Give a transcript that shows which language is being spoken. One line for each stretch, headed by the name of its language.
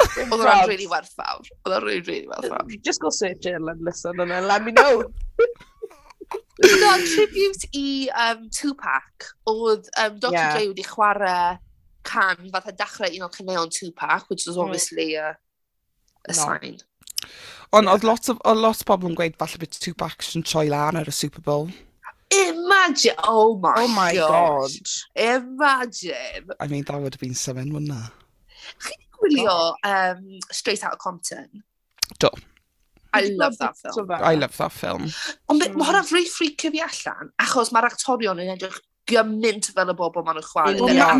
Welsh: Oedd o'n really werth fawr. Oedd o'n really, really werth fawr.
English: Just go search it and listen and then let me know.
Welsh: Oedd o'n tribute i Tupac. Oedd Dr. Dre wedi chwarae can fath a dachrau un o'r cyneuon Tupac,
English: which was obviously a sign.
Welsh: Ond oedd lot o bobl yn gweud falle bod Tupac yn troi lan ar y Super Bowl.
English: Imagine! imagine. Oh my god. Imagine. I mean, that would have been something, wouldn't it? Can you really Straight Outta Compton?
Welsh: Do.
English: I love that film.
Welsh: Ond mae hwnna fwy ffricio fi allan, achos mae'r actorion yn edrych gymaint fel y bobl maen nhw'n chwarae.